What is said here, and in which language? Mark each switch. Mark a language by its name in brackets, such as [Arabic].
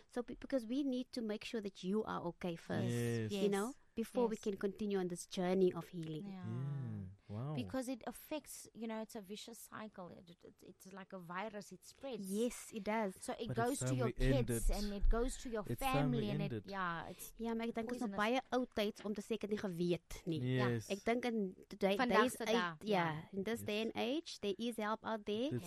[English] So because we need to make sure that you are okay first, you know, before we can continue on this journey of healing. Because it affects, you know, it's a vicious cycle. It's like a virus. It spreads. Yes, it does. So it goes to your kids and it goes to your family. [Afrikaans] Ja, maar ek dink ons is baie oud tyds om te sê ek het nie geweet nie. Ek dink [English] in today's age, in this day and age, there is help out there.